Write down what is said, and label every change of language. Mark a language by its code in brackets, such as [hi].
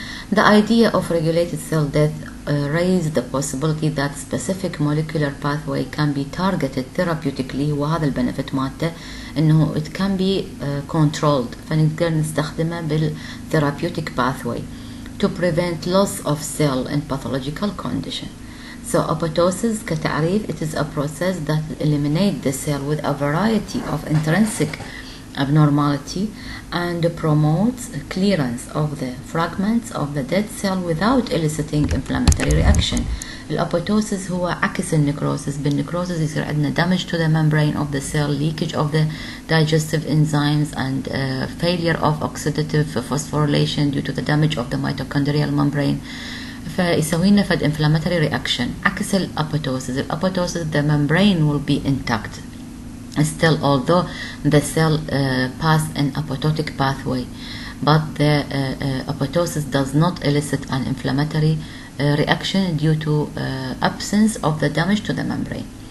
[en] The idea of regulated cell death raised the possibility that specific molecular pathway can be targeted therapeutically, [ar] وهذا البنفت مالته انه [en] it can be controlled [ar] فنقدر نستخدمه [en] بالtherapeutic pathway to prevent loss of cell in pathological condition. So apoptosis كتعريف it is a process that eliminates the cell with a variety of intrinsic abnormality and promotes clearance of the fragments of the dead cell without eliciting inflammatory reaction. [ar] الأبوتوسيس هو عكس النكروسيس. بالنكروسيس يصير عندنا [en] damage to the membrane of the cell, leakage of the digestive enzymes and failure of oxidative phosphorylation due to the damage of the mitochondrial membrane. [ar] فيسوي لنا فد inflammatory reaction عكس الأبوتوسيس. [en] الأبوتوسيس the membrane will be intact still, although the cell pass an apoptotic pathway, but the apoptosis does not elicit an inflammatory reaction due to absence of the damage to the membrane.